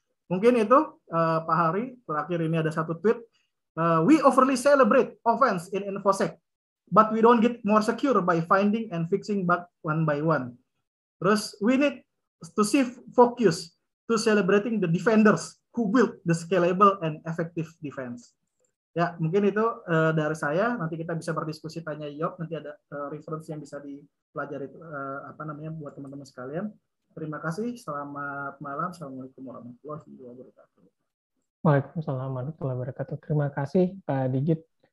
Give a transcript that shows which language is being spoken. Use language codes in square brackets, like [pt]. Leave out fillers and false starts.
[id] Mungkin itu Pak Hari, terakhir ini ada satu tweet. [en] We overly celebrate offense in InfoSec, but we don't get more secure by finding and fixing bug one by one. [id] Terus, [en] we need to shift focus to celebrating the defenders who build the scalable and effective defense. [id] Ya, mungkin itu dari saya. Nanti kita bisa berdiskusi tanya Yop. Nanti ada reference yang bisa dipelajari buat teman-teman sekalian. Terima kasih. Selamat malam. Assalamualaikum warahmatullahi wabarakatuh. Waalaikumsalam warahmatullahi wabarakatuh. Terima kasih Pak Digit.